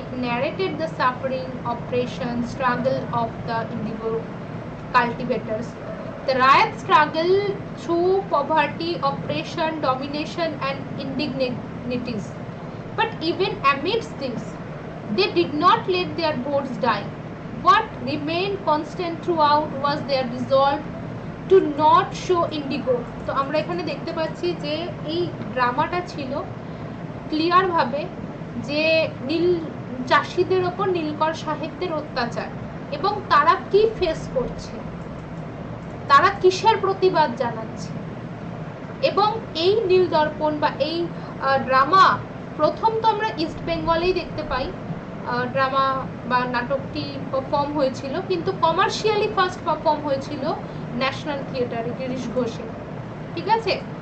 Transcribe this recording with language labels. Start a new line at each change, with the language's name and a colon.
English: It narrated the suffering, oppression, struggle of the indigo cultivators, the ryot struggle through poverty, oppression, domination and indignities. But even amidst things they did not let their votes die. What remained constant throughout was their resolve to not show indigo.
Bangla: তো আমরা এখানে দেখতে পাচ্ছি যে এই ড্রামাটা ছিল ক্লিয়ারভাবে যে নীল চাষিদের ওপর নীলকর সাহেবদের অত্যাচার, এবং তারা কি ফেস করছে, তারা কিসের প্রতিবাদ জানাচ্ছে, এবং এই নীল দর্পণ বা এই ড্রামা প্রথম তো আমরা ইস্ট বেঙ্গলেই দেখতে পাই, ড্রামা বা নাটকটি পারফর্ম হয়েছিল, কিন্তু কমার্শিয়ালি ফার্স্ট পারফর্ম হয়েছিল ন্যাশনাল থিয়েটারে গিরিশ ঘোষে, ঠিক আছে।